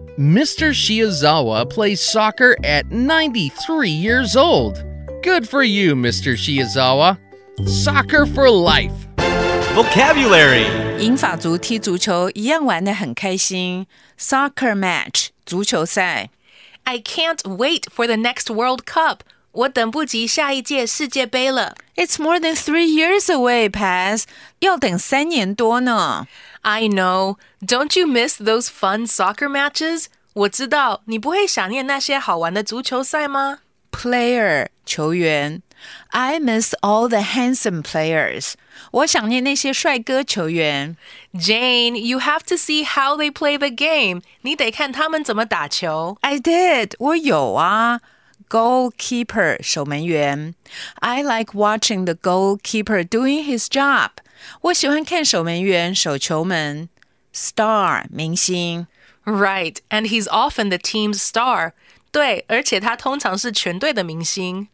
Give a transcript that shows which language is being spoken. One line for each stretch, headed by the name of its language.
English: Mr. Shiozawa plays soccer at 93 years old. Good for you, Mr. Shiozawa. Soccer for life. Vocabulary.
Chinese: 银发族踢足球一样玩得很开心。
English: Soccer match.
Chinese: 足球赛
English: I can't wait for the next World Cup.
Chinese: 我等不及下一届世界杯了。
English: It's more than 3 years away, Paz.
Chinese: 要等三年多呢。
English: I know. Don't you miss those fun soccer matches?
Chinese: 我知道，你不会想念那些好玩的足球赛吗？
English: Player, 球员。I miss all the handsome players.
Chinese: 我想念那些帅哥球员。
English: Jane, you have to see how they play the game.
Chinese: 你得看他们怎么打球。
English: I did,
Chinese: 我有啊。
English: Goalkeeper, 守门员。 I like watching the goalkeeper doing his job.
Chinese: 我喜欢看守门员守球门。
English: Star, 明星。 Right, and he's often the team's star.
Chinese: 对，而且他通常是全队的明星。